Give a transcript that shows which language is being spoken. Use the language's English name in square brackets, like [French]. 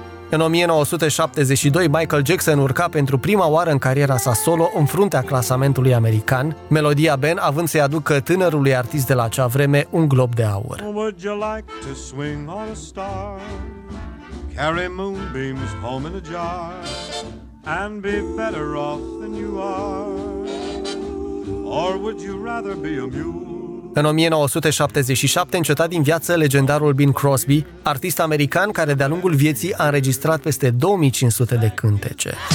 [Romanian] În 1972, Michael Jackson urca pentru prima oară în cariera sa solo în fruntea clasamentului american, melodia Ben având să-i aducă tânărului artist de la acea vreme un glob de aur. [English] Would you like to swing on a star? Carry moonbeams home in a jar and be better off than you are? Or would you rather be a mule? [Romanian] În 1977 înceta din viață legendarul Bing Crosby, artist american care de-a lungul vieții a înregistrat peste 2500 de cântece.